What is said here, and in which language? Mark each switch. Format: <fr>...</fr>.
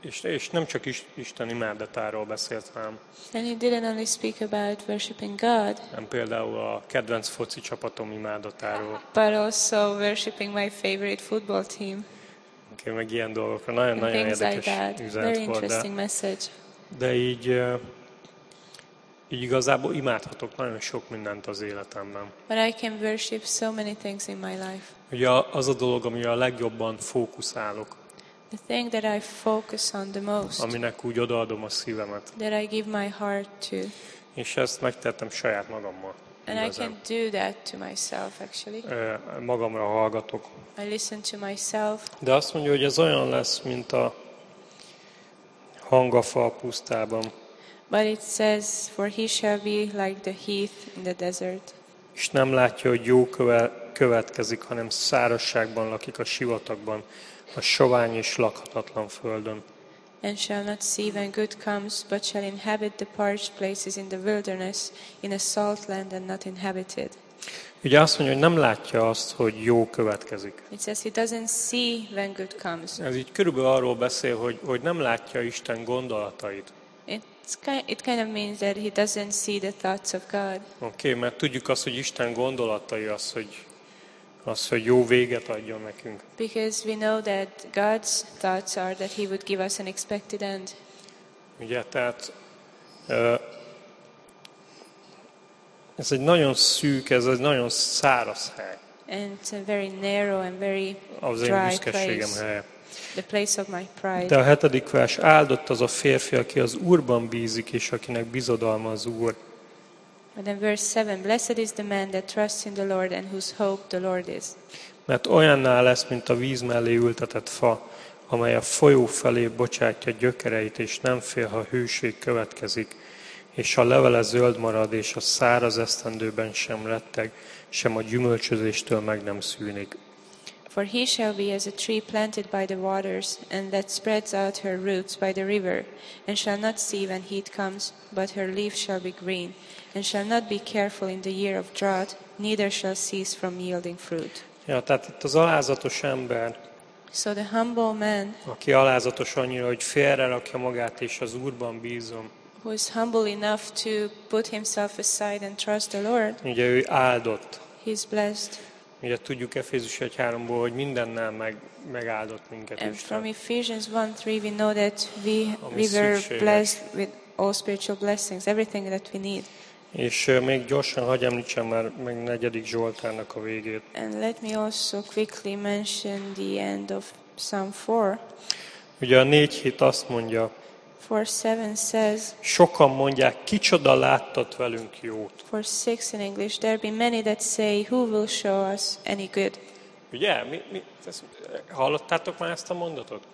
<hu>És nem csak Isten imádatáról beszélt, hanem.</hu> <en>And he didn't only speak about worshiping God.</en> <hu>Nem például a kedvenc foci csapatom imádatáról.</hu> <en>But also worshiping my favorite football team.</en> <hu>Okay, meg ilyen dolgokra. Nagyon-nagyon érdekes üzenet volt.</hu> <en>Very interesting message.</en> <hu>De így igazából imádhatok nagyon sok mindent az életemben.</hu> <en>But I can worship so many things in my life.</en> <hu>Ugye az a dolog, amire a legjobban fókuszálok.</hu> <en>The thing that I focus on the most.</en> <hu>Aminek úgy odaadom a szívemet.</hu> <en>That I give my heart to.</en> <hu>És ezt megtettem saját magammal.</hu> <en>And I can do that to myself actually.</en> <hu>Magamra hallgatok.</hu> <en>I listen to myself.</en> <hu>De azt mondja, hogy ez olyan lesz, mint a hang a fa a pusztában.</hu> <en>But it says, for he shall be like the heath in the desert.</en> <hu>És nem látja, hogy jó következik, hanem szárazságban lakik a sivatagban. A sovány és lakhatatlan földön.</hu> <en>And shall not see when good comes, but shall inhabit the parched places in the wilderness, in a salt land and not inhabited.</en> <hu>Ugye azt mondja, hogy nem látja azt, hogy jó következik.</hu> <en>It says he doesn't see when good comes.</en> <hu>Ez így körülbelül arról beszél, hogy nem látja Isten gondolatait.</hu> <en>It kind of means that he doesn't see the thoughts of God.</en> <hu>Okay, mert tudjuk azt, hogy Isten gondolatai az, hogy jó véget adjon nekünk.</hu> <en>Because we know that God's thoughts are that he would give us an expected end.</en> <hu>Ugye, tehát ez egy nagyon szűk, ez egy nagyon száraz hely.</hu> <en>And it's a very narrow and very dry place.</en> <hu>Az én büszkeségem helye.</hu> <en>The place of my pride.</en> <hu>De a hetedik vers, áldott az a férfi, aki az Úrban bízik, és akinek bizodalma az Úr.</hu> <en>But in verse 7, blessed is the man that trusts in the Lord and whose hope the Lord is.</en> <hu>Mert olyanná lesz, mint a víz mellé ültetett fa, amely a folyó felé bocsátja gyökereit, és nem fél, ha hőség következik. És a levele zöld marad, és a száraz esztendőben sem retteg, sem a gyümölcsözéstől meg nem szűnik.</hu> <en>For he shall be as a tree planted by the waters, and that spreads out her roots by the river, and shall not see when heat comes, but her leaf shall be green, and shall not be careful in the year of drought, neither shall cease from yielding fruit.</en> <hu>Ja, tehát itt az alázatos ember,</hu> <en>so the humble man,</en> <hu>aki alázatos annyira, hogy félrerakja magát, és az Úrban bízom,</hu> <en>who is humble enough to put himself aside and trust the Lord.</en> <hu>Ugye ő áldott.</hu> <en>He is blessed.</en> <hu>Ugye tudjuk Efézus 1:3-ból, hogy mindennel megáldott minket Isten.</hu> <en>And from Ephesians 1:3 we know that we were blessed with all spiritual blessings, everything that we need.</en> <hu>És még gyorsan hagyj említsem már meg 4. Zsoltárnak a végét.</hu> <en>And let me also quickly mention the end of Psalm 4.</en> <hu>Ugye a 4:7 azt mondja,</hu> <en>4:7 says,</en> <hu>sokan mondják, kicsoda láttat velünk jót.</hu> <en>4:6 in English, there be many that say, who will show us any good?</en> <hu>Ugye, mi hallottátok már ezt a mondatot?</hu>